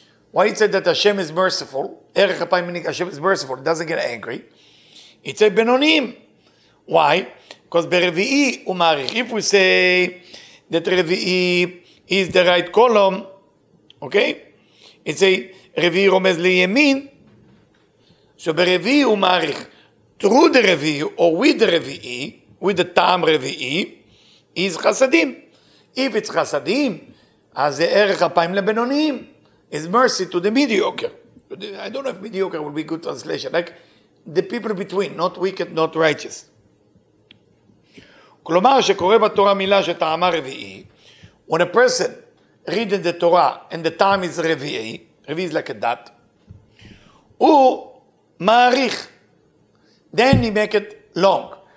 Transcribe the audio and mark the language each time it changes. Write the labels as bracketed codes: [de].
[en] Why it said that Hashem is merciful? [he] Erech ha'paim [en] meaning Hashem is merciful. It doesn't get angry. It say benonim. Why? Because [he] berevi'i u'ma'arich. [en] If we say that revi'i is the right column, okay? It say revi'i [he] romez li'yemin. [en] So, [he] ברביעי הוא מעריך, [en] through the רביעי, or with the רביעי, with the טעם רביעי, is חסדים. If it's [he] חסדים, אז זה ערך הפעם לבינוניים. [en] It's mercy to the mediocre. I don't know if mediocre will be good translation. Like, the people between, not wicked, not righteous. [he] כלומר, שקורה בתורה מילה שטעמה רביעי, [en] when a person read in the Torah, and the time is רביעי, רביעי is like a dot, הוא... Ma'arich. Then he make it long.